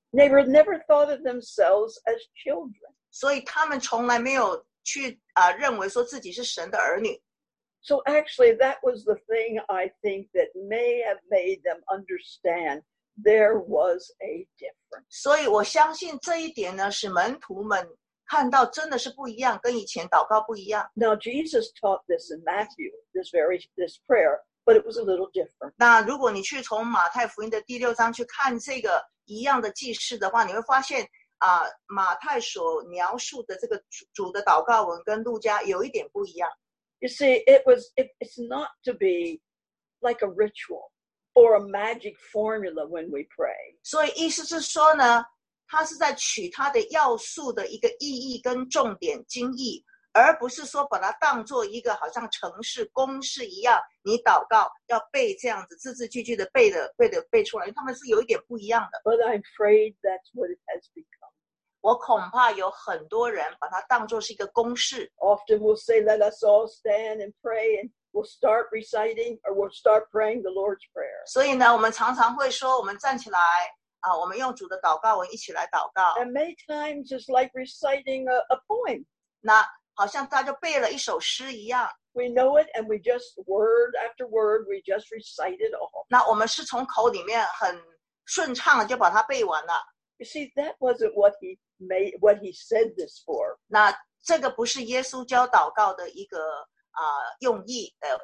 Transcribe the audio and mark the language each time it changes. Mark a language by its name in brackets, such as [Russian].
[English] They were never thought of themselves as children. [Chinese] 所以他们从来没有去认为说自己是神的儿女。 [English] So actually, that was the thing I think that may have made them understand there was a difference. [Chinese] 所以我相信这一点呢，使门徒们看到真的是不一样，跟以前祷告不一样。 [English] Now Jesus taught this in Matthew, this prayer, but it was a little different. [Chinese] 那如果你去从马太福音的第六章去看这个一样的祭事的话，你会发现啊，马太所描述的这个主的祷告文跟路加有一点不一样。 [English] You see, it's not to be like a ritual or a magic formula when we pray. [Chinese] 所以意思是说呢，他是在取他的要素的一个意义跟重点精义，而不是说把它当作一个好像程式公式一样，你祷告要背这样子字字句句的背出来，他们是有一点不一样的。 [English] But I'm afraid that's what it has become. [Chinese] 我恐怕有很多人把它当作是一个公式。 [English] Often we'll say, let us all stand and pray, and we'll start reciting or we'll start praying the Lord's Prayer. [Chinese] 所以呢，我们常常会说，我们站起来。我们用主的祷告文一起来祷告。 [English] And many times it's like reciting a poem. [Chinese] 那好像大家背了一首诗一样。 [English] We know it and we just, word after word, we just recite it all. [Chinese] 那我们是从口里面很顺畅就把它背完了。 [English] You see, that wasn't what he said this for. [Chinese] 那这个不是耶稣教祷告的一个用意。